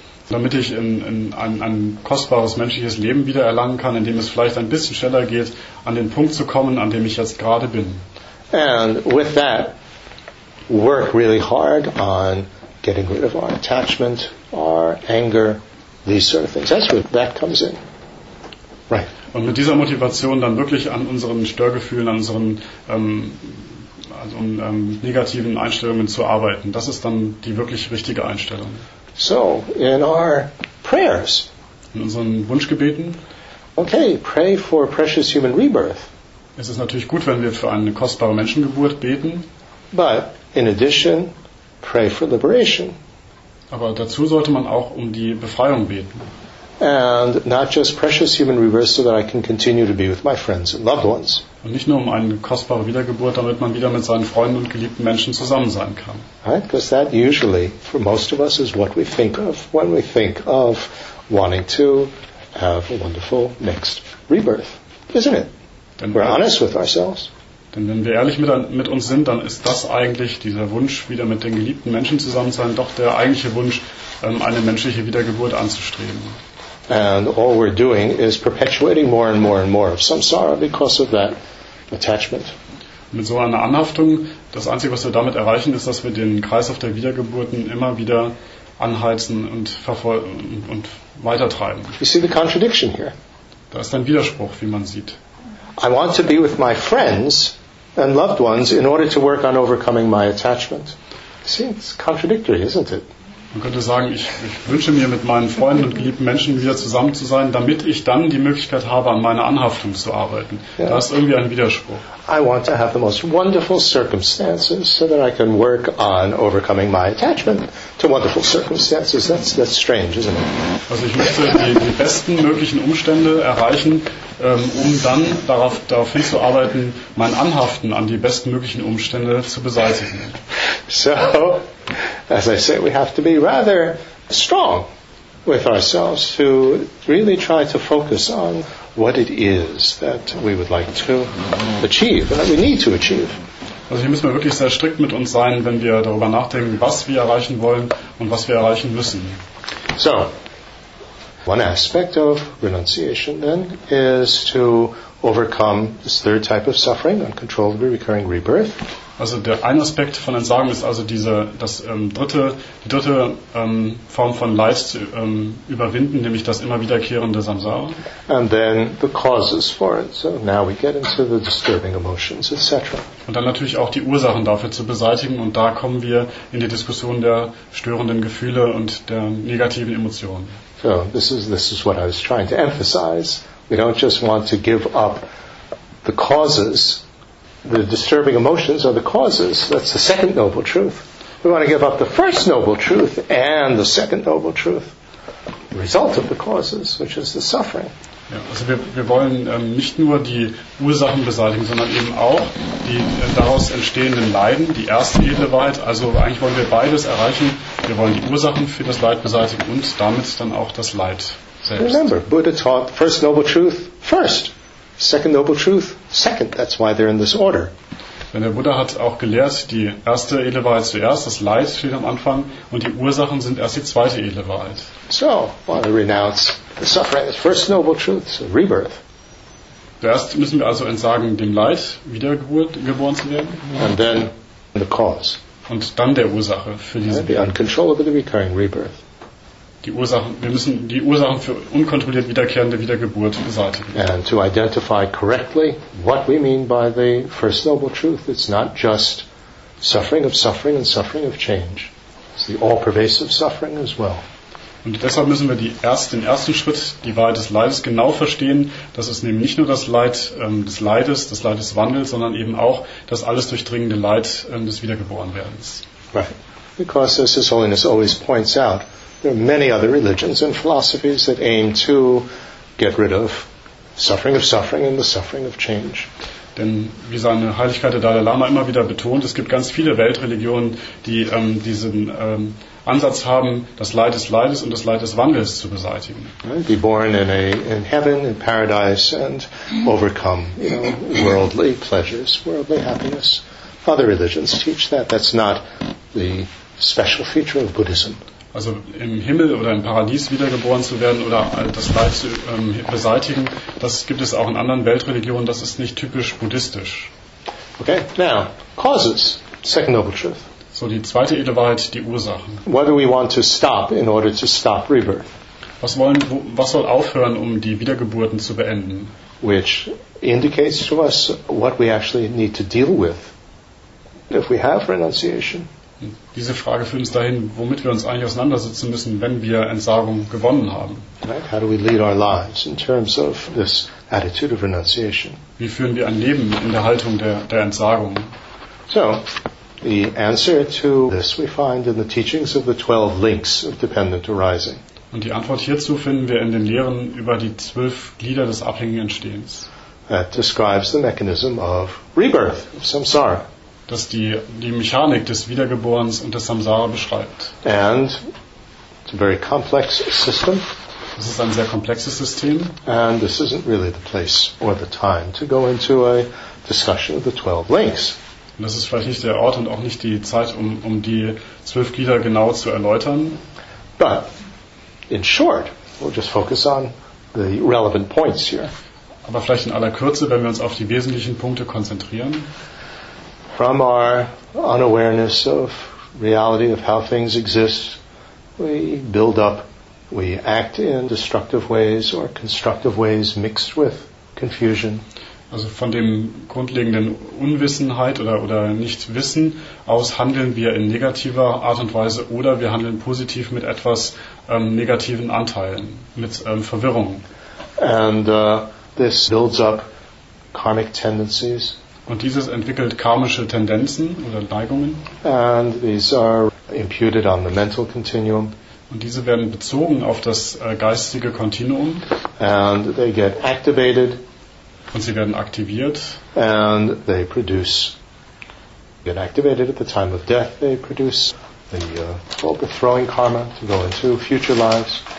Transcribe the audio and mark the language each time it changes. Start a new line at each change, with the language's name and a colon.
German: Damit ich in ein kostbares menschliches Leben wieder erlangen kann, in dem es vielleicht ein bisschen schneller geht, an den Punkt zu kommen, an dem ich jetzt gerade bin.
English: And with that, work really hard on getting rid of our attachment, our anger, these sort of things. That's where that comes in. Right.
German: Und mit dieser Motivation dann wirklich an unseren Störgefühlen, an unseren negativen Einstellungen zu arbeiten. Das ist dann die wirklich richtige Einstellung.
English: So, in our prayers.
German: In unseren Wunschgebeten.
English: Okay, pray for precious human rebirth.
German: Es ist natürlich gut, wenn wir für eine kostbare Menschengeburt beten.
English: But in addition, pray for liberation.
German: Aber dazu sollte man auch um die Befreiung beten.
English: And not just precious human rebirth, so that I can continue to be with my friends and loved ones.
German: Und nicht nur um eine kostbare Wiedergeburt, damit man wieder mit seinen Freunden und geliebten Menschen zusammen sein kann.
English: Right? Because that usually, for most of us, is what we think of when we think of wanting to have a wonderful next rebirth, isn't it?
German: Denn
English: we're honest with ourselves.
German: Denn wenn wir ehrlich mit uns sind, dann ist das eigentlich dieser Wunsch, wieder mit den geliebten Menschen zusammen zu sein, doch der eigentliche Wunsch, eine menschliche Wiedergeburt anzustreben.
English: And all we're doing is perpetuating more and more and more of samsara because of that attachment.
German: Mit so einer Anhaftung, das Einzige, was wir damit erreichen, ist, dass wir den Kreislauf der Wiedergeburten immer wieder anheizen und weitertreiben.
English: You see the contradiction here.
German: Da ist ein Widerspruch, wie man sieht.
English: I want to be with my friends and loved ones in order to work on overcoming my attachment. See, it's contradictory, isn't it?
German: Man könnte sagen, ich wünsche mir, mit meinen Freunden und geliebten Menschen wieder zusammen zu sein, damit ich dann die Möglichkeit habe, an meiner Anhaftung zu arbeiten. Yeah. Da ist irgendwie ein Widerspruch.
English: I want to have the most wonderful circumstances so that I can work on overcoming my attachment to wonderful circumstances. That's strange, isn't it?
German: Also ich möchte die besten möglichen Umstände erreichen, um dann darauf hinzuarbeiten, mein Anhaften an die besten möglichen Umstände zu beseitigen.
English: So, as I say, we have to be rather strong with ourselves to really try to focus on what it is that we would like to achieve, that we need to achieve.
German: Also hier müssen wir wirklich sehr strikt mit uns sein, wenn wir darüber nachdenken, was wir erreichen wollen und was wir erreichen müssen.
English: So, one aspect of renunciation then is to overcome this third type of suffering, uncontrollably recurring rebirth.
German: Also der ein Aspekt von Entsagung ist also die dritte Form von Leid zu überwinden, nämlich das immer wiederkehrende Samsara.
English: And then the causes for it. So now we get into the disturbing emotions, etc.
German: Und dann natürlich auch die Ursachen dafür zu beseitigen, und da kommen wir in die Diskussion der störenden Gefühle und der negativen Emotionen.
English: So this is what I was trying to emphasize. We don't just want to give up the causes. The disturbing emotions are the causes. That's the second noble truth. We want to give up the first noble truth and the second noble truth, the result of the causes, which is the suffering.
German: Ja, also wir wollen nicht nur die Ursachen beseitigen, sondern eben auch die daraus entstehenden Leiden, die erste edle Wahrheit. Also eigentlich wollen wir beides erreichen. Wir wollen die Ursachen für das Leid beseitigen und damit dann auch das Leid selbst.
English: Remember, Buddha taught first noble truth first. Second noble truth, second. That's why they're in this order.
German: Denn der Buddha hat auch gelehrt, die erste edle Wahrheit zuerst, das Leid steht am Anfang, und die Ursachen sind erst die zweite edle Wahrheit.
English: So, while I renounce the suffering, first noble truth, so rebirth.
German: Zuerst müssen wir also entsagen, dem Leid wiedergeboren zu werden.
English: And then the cause.
German: Und dann der Ursache für diesen.
English: The uncontrollably recurring rebirth.
German: Die Ursachen, wir müssen die Ursachen für unkontrolliert wiederkehrende Wiedergeburt beseitigen.
English: And to identify correctly what we mean by the first noble truth, it's not just suffering of suffering and suffering of change. It's the all-pervasive suffering as well.
German: Und deshalb müssen wir den ersten Schritt, die Wahrheit des Leides, genau verstehen. Das ist nämlich nicht nur das Leid des Leides, das Leid des Wandels, sondern eben auch das alles durchdringende Leid des Wiedergeborenwerdens.
English: Right. Because as His Holiness always points out, there are many other religions and philosophies that aim to get rid of suffering of suffering and the suffering of change.
German: Denn wie seine Heiligkeit der Dalai Lama immer wieder betont, es gibt ganz viele Weltreligionen, die diesen Ansatz haben, das Leid des Leides und das Leid des Wandels zu beseitigen.
English: Be born in heaven, in paradise, and overcome, you know, worldly pleasures, worldly happiness. Other religions teach that. That's not the special feature of Buddhism.
German: Also im Himmel oder im Paradies wiedergeboren zu werden oder das Leid zu beseitigen, das gibt es auch in anderen Weltreligionen, das ist nicht typisch buddhistisch.
English: Okay, now, causes, second noble truth.
German: So, die zweite edle Wahrheit, die Ursachen.
English: What do we want to stop in order to stop rebirth?
German: Was soll aufhören, um die Wiedergeburten zu beenden?
English: Which indicates to us what we actually need to deal with if we have renunciation.
German: Diese Frage führt uns dahin, womit wir uns eigentlich auseinandersetzen müssen, wenn wir Entsagung gewonnen haben.
English: Right? How do we lead our lives in terms of this attitude of renunciation?
German: Wie führen wir ein Leben in der Haltung der Entsagung?
English: So, the answer to this we find in the teachings of the 12 links of dependent arising.
German: Und die Antwort hierzu finden wir in den Lehren über die 12 Glieder des abhängigen Entstehens.
English: That describes the mechanism of rebirth, of samsara.
German: Das die Mechanik des Wiedergeborens und des Samsara beschreibt.
English: And it's a very complex system.
German: Das ist ein sehr komplexes System.
English: And this isn't really the place or the time to go into a discussion of the 12 links.
German: Und das ist vielleicht nicht der Ort und auch nicht die Zeit, um die 12 Glieder genau zu erläutern.
English: But in short, we'll just focus on the relevant points here.
German: Aber vielleicht in aller Kürze, wenn wir uns auf die wesentlichen Punkte konzentrieren.
English: From our unawareness of reality, of how things exist, we build up, we act in destructive ways or constructive ways mixed with confusion.
German: Also von dem grundlegenden Unwissenheit oder Nichtwissen aus handeln wir in negativer Art und Weise oder wir handeln positiv mit etwas negativen Anteilen, mit Verwirrung.
English: And this builds up karmic tendencies.
German: Und dieses entwickelt karmische Tendenzen oder Neigungen.
English: And these are imputed on the mental continuum.
German: Und diese werden bezogen auf das geistige Kontinuum.
English: And they get activated.
German: Und sie werden aktiviert.
English: And they produce, get activated at the time of death, they produce the overthrowing karma to go into future lives.